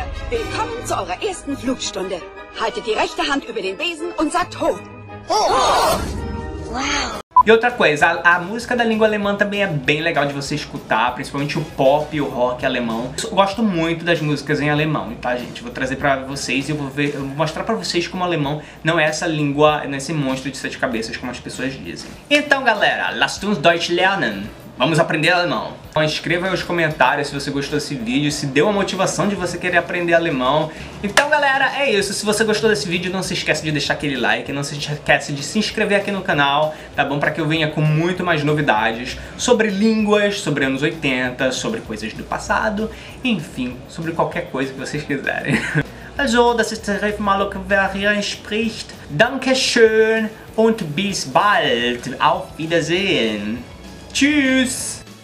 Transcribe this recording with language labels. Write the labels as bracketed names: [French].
[German] Willkommen zu eurer ersten Flugstunde. Haltet die rechte Hand über den Besen und sagt ho. [Portuguese] E outra coisa, a música da língua alemã também é bem legal de você escutar, principalmente o pop e o rock alemão. Eu gosto muito das músicas em alemão, tá, gente? Vou trazer pra vocês e eu vou mostrar pra vocês como o alemão não é essa língua, não é esse monstro de sete cabeças, como as pessoas dizem. Então, galera, [German] lasst uns Deutsch lernen! [Portuguese] Vamos aprender alemão. Então escreva aí nos comentários se você gostou desse vídeo, se deu a motivação de você querer aprender alemão. Então, galera, é isso. Se você gostou desse vídeo, não se esquece de deixar aquele like, não se esquece de se inscrever aqui no canal, tá bom? Pra que eu venha com muito mais novidades sobre línguas, sobre anos 80, sobre coisas do passado, enfim, sobre qualquer coisa que vocês quiserem. [German] Also, das ist der Malok, wer hier spricht. Dankeschön und bis bald. Auf Wiedersehen. Tschüss.